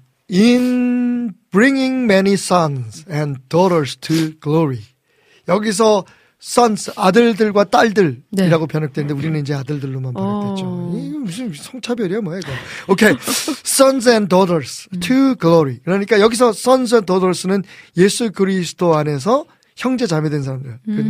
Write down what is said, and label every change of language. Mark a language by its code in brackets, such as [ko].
[en] In bringing many sons and daughters to glory. [ko] 여기서 sons, 아들들과 딸들이라고 네. 변역되는데 우리는 이제 아들들로만 변역됐죠. 무슨 성차별이야 뭐 이거. [en] Okay. Sons and daughters to glory. [ko] 그러니까 여기서 [en] sons and daughters [ko] 는 예수 그리스도 안에서 형제 자매 된 사람들.